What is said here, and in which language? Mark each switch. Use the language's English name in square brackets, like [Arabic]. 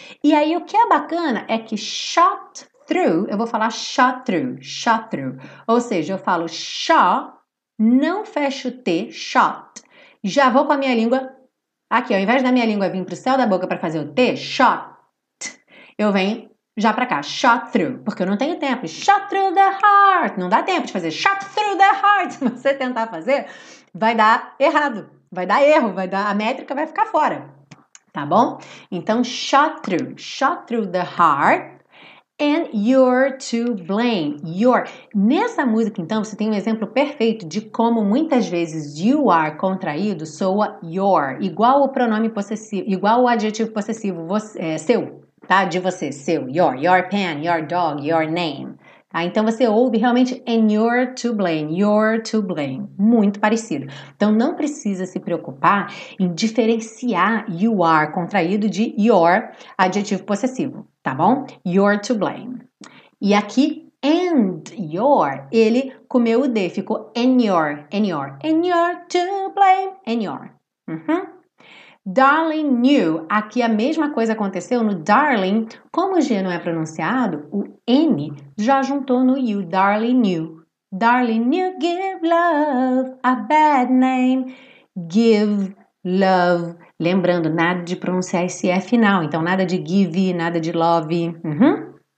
[Portuguese] E aí, o que é bacana é que [English] shot through, [Portuguese] eu vou falar shot through, ou seja, eu falo sha, não fecho o T, shot, já vou com a minha língua aqui, ao invés da minha língua vir para o céu da boca para fazer o T, shot. eu venho já pra cá, shot through, porque eu não tenho tempo, [English] shot through the heart, [Portuguese] não dá tempo de fazer shot through the heart, se você tentar fazer, vai dar errado, vai dar erro, vai dar, a métrica vai ficar fora, tá bom? [English] Então, shot through the heart, and you're to blame, you're. [Portuguese] Nessa música, então, você tem um exemplo perfeito de como muitas vezes you are contraído soa you're, igual o pronome possessivo, igual o adjetivo possessivo, você, é, seu, tá? De você, seu, [English] your pen, your dog, your name. [Portuguese] Tá? Então, você ouve realmente [English] and you're to blame, [Portuguese] muito parecido. Então, não precisa se preocupar em diferenciar you are contraído de your adjetivo possessivo, tá bom? [English] You're to blame. [Portuguese] E aqui, and your, ele comeu o D, ficou [English] and you're to blame, [Portuguese] and your. Uhum. Darling you, aqui a mesma coisa aconteceu no darling, como o G não é pronunciado, o N já juntou no you, [English] darling you give love a bad name, [Portuguese] give love, lembrando, nada de pronunciar esse E final, então nada de give, nada de love, uhum.